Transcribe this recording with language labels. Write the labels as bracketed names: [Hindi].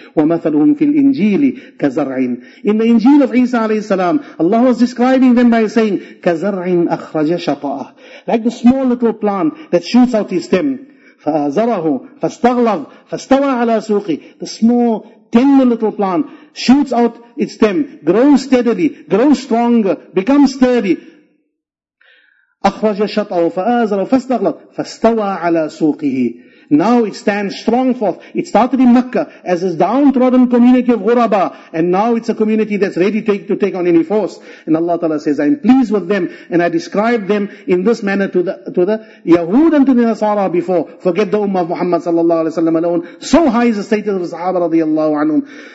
[Arabic] وَمَثَلُهُمْ فِي الْإِنْجِيلِ كَزَرْعٍ [English] In the Injil of Isa alayhi salam, Allah was describing them by saying, [Arabic] كَزَرْعٍ أَخْرَجَ شَطَاءً [English] Like the small little plant that shoots out his stem. [Arabic] فَأَزَرَهُ فَاسْتَغْلَظْ فَاسْتَوَى عَلَى سُوْقِ [English] The small, tender little plant shoots out its stem, grows steadily, grows stronger, becomes sturdy. [Arabic] أخرج شطأه فآزر فاستغلظ فاستوى على سوقه [English] Now it stands strong forth. It started in Mecca as a downtrodden community of Ghuraba. And now it's a community that's ready to take on any force. And Allah Ta'ala says, I'm pleased with them. And I described them in this manner to the Yahud and to the Nasara before. Forget the Ummah of Muhammad sallallahu alayhi wa sallam alone. So high is the status of the Sahaba radiallahu anhum.